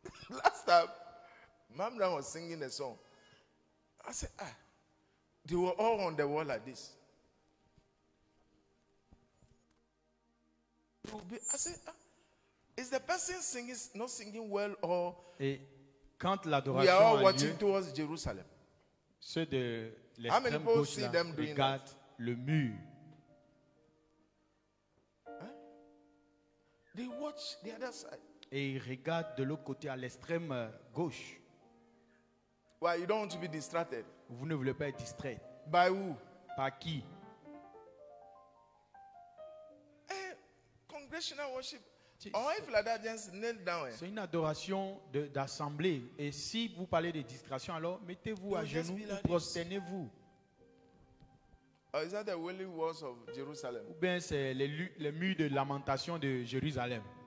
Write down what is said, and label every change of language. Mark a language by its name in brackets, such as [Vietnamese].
[English] Last time, Mamda was singing the song. I said, ah, they were all on the wall like this. I said, is the person singing not singing well or? [French] Et quand l'adoration [English] we are all watching [French] lieu, [English] towards Jerusalem. [French] Ceux de l'extrême gauche là regardent le mur. [English] Hein? They watch the other side. [French] Et ils regardent de l'autre côté à l'extrême gauche. [English] Why you don't want to be distracted? [French] Vous ne voulez pas être distrait. [English] By who? [French] Par qui? C'est une adoration d'assemblée. Et si vous parlez de distraction, alors mettez-vous à genoux ou prosternez-vous. [English] Or is that the wailing walls of Jerusalem? [French] Ou bien c'est le mur de lamentation de Jérusalem.